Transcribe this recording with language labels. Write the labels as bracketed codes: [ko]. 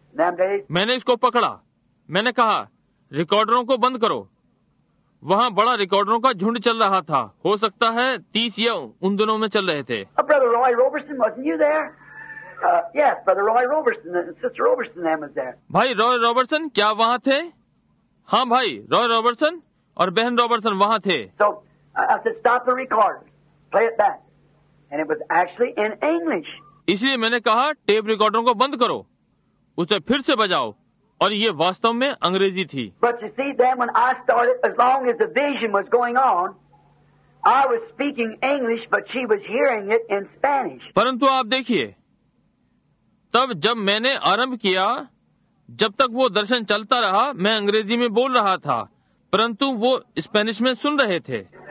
[hi] मैंने इसको पकड़ा। मैंने कहा, रिकॉर्डरों को बंद करो। वहाँ बड़ा रिकॉर्डरों का झुंड चल रहा था। हो सकता है 30 या उन दिनों में चल रहे थे। [en] Brother Roy Roberson, wasn't you there? Yes, Brother Roy Roberson, Sister Roberson, them was there. [hi] भाई रॉय रॉबर्टसन क्या वहाँ थे? हाँ भाई, रॉय रॉबर्टसन और बहन रॉबर्टसन वहाँ थे। [en] So, I said, stop the recorder. Play it back. And it was actually in English. [hi] इसलिए मैंने कहा, टेप रिकॉर्डर को बंद करो, उसे फिर से बजाओ, और ये वास्तव में अंग्रेजी थी। [en] But you see, then when I started, as long as the vision was going on, I was speaking English, but she was hearing it in Spanish. [hi] परंतु आप देखिए, तब जब मैंने आरंभ किया, जब तक वो दर्शन चलता रहा, मैं अंग्रेजी में बोल रहा था, परंतु वो स्पेनिश में सुन रहे थे।